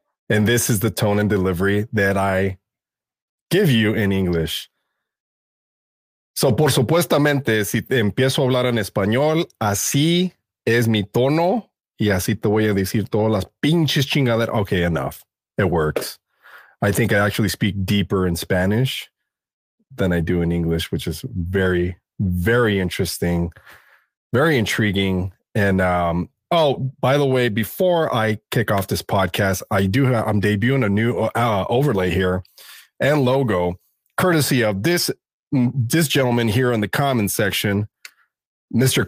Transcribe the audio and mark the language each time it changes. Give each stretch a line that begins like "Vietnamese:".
English: And this is the tone and delivery that I give you in English.
Spanish: So, por supuestamente, si empiezo a hablar en español, así es mi tono. Y así te voy a decir todas las pinches chingaderas.
English: Okay, enough. It works. I think I actually speak deeper in Spanish than I do in English, which is very, very interesting, very intriguing. And oh, by the way, before I kick off this podcast, I'm debuting a new overlay here and logo, courtesy of this gentleman here in the comment section. Mr.